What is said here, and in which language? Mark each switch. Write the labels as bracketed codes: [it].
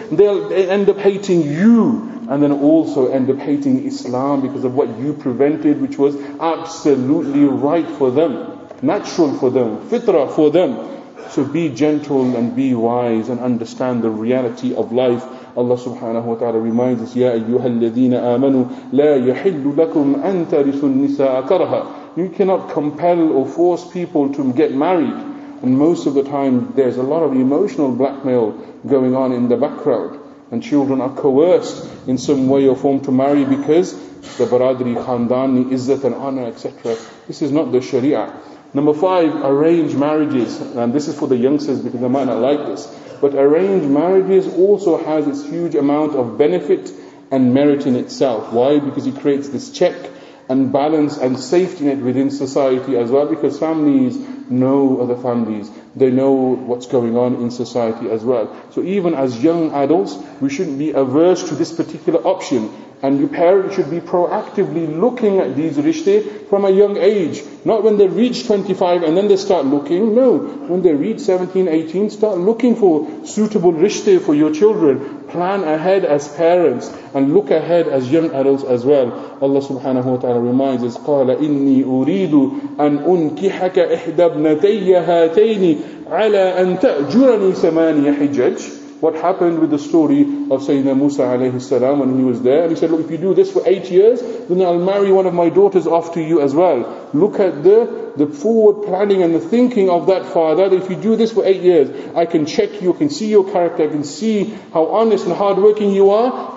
[en] They end up hating you. And then also end up hating Islam because of what you prevented, which was absolutely right for them, natural for them, fitra for them. So be gentle and be wise and understand the reality of life. Allah subhanahu wa ta'ala reminds us, [ar] يَا أَيُّهَا الَّذِينَ آمَنُوا لَا يَحِلُّ لَكُمْ أَن تَرِثُوا النِّسَاءَ كَرْهًا. [en] You cannot compel or force people to get married. And most of the time, there's a lot of emotional blackmail going on in the background. And children are coerced in some way or form to marry because the baradri, khandani, izzat and honor, etc. This is not the sharia. Number five, arrange marriages. And this is for the youngsters because they might not like this. But arrange marriages also has its huge amount of benefit and merit in itself. Why? Because it creates this check and balance and safety net within society as well. Because families know other families. They know what's going on in society as well. So even as young adults, we shouldn't be averse to this particular option. And your parents should be proactively looking at these rishte from a young age. Not when they reach 25 and then they start looking. No, when they reach 17, 18, start looking for suitable rishte for your children. Plan ahead as parents and look ahead as young adults as well. Allah subhanahu wa ta'ala reminds us, [ar] قَالَ إِنِّي أُرِيدُ أَنْ أُنْكِحَكَ إِحْدَى ابْنَتَيَّ هَاتَيْنِ عَلَى أَنْ تَأْجُرَنِي ثَمَانِيَ حِجَجٍ. [en] What happened with the story of Sayyidina Musa alayhi salam when he was there? And he said, look, if you do this for 8 years, then I'll marry one of my daughters off to you as well. Look at the forward planning and the thinking of that father. That if you do this for 8 years, I can check you, I can see your character, I can see how honest and hardworking you are.